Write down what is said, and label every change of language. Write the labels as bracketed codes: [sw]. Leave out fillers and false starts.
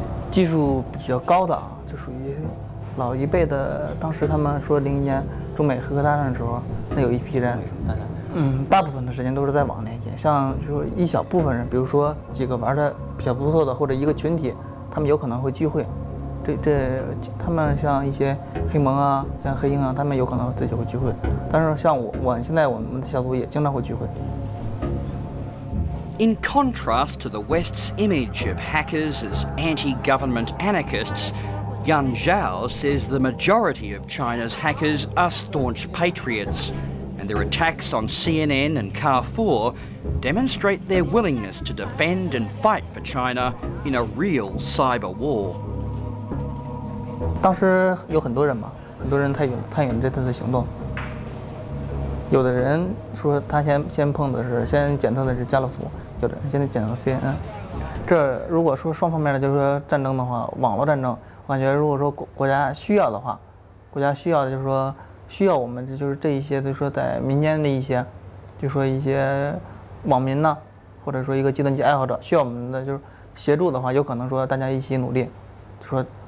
[zh] 技术比较高的就属于老一辈的，当时他们说2001年中美黑客大战的时候，那有一批人，大部分的时间都是在网连接，像就是一小部分人，比如说几个玩的比较不错的，或者一个群体，他们有可能会聚会。这他们像一些黑盟啊，像黑鹰啊，他们有可能自己会聚会，但是像我现在我们的小组也经常会聚会。 [en] In contrast to the West's image of hackers as anti-government anarchists, Yan Zhao says the majority of China's hackers are staunch patriots, and their attacks on CNN and Carrefour demonstrate their willingness to defend and fight for China in a real cyber war. [zh] 当时有很多人嘛，很多人参与了这次的行动。有的人说他先检测的是加勒福，有的人现在检测 CNN。这如果说双方面的就是说战争的话，网络战争，我感觉如果说国家需要的话，国家需要的就是说需要我们就是这一些就是说在民间的一些，就是说一些网民呢，或者说一个计算机爱好者需要我们的就是协助的话，有可能说大家一起努力，就说。